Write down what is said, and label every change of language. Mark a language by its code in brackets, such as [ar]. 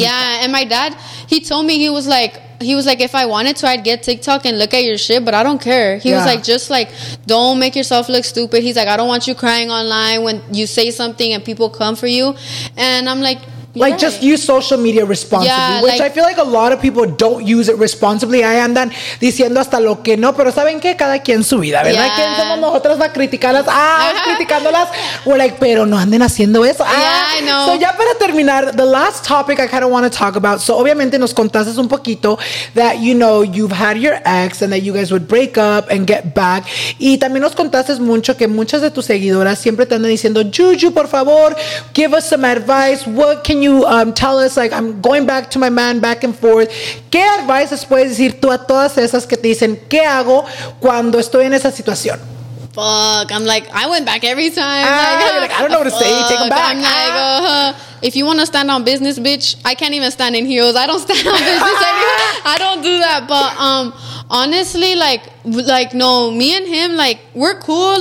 [en] Yeah, and my dad, he told me, he was like, if I wanted to, I'd get TikTok and look at your shit, but I don't care. He was like, just like, don't make yourself look stupid. He's like, I don't want you crying online when you say something and people come for you. And I'm like, like, just use social media responsibly, which, like, I feel like a lot of people don't use it responsibly. [es] I andan diciendo hasta lo que no, pero saben que cada quien su vida, ¿verdad? Yeah. ¿Quién somos nosotros para criticarlas? Criticándolas. [en] We're like, [es] pero no anden haciendo eso. [en] I know. So [es] ya para terminar, [en] the last topic I kind of want to talk about. So [es] obviamente nos contaste un poquito [en] that, you know, you've had your ex and that you guys would break up and get back. [es] Y también nos contaste mucho que muchas de tus seguidoras siempre te andan diciendo, Juju, por favor, [en] give us some advice. What can you tell us, like, I'm going back to my man, back and forth. [es] ¿Qué advice puedes decir tú a todas esas que te dicen, ¿qué hago cuando estoy en esa situación? [en] Fuck, I'm like, I went back every time. Like, I don't know what to say, take him back. I'm like, if you want to stand on business, bitch, I can't even stand in heels. I don't stand on business anymore. I don't do that. But honestly, like, no, me and him, like, we're cool.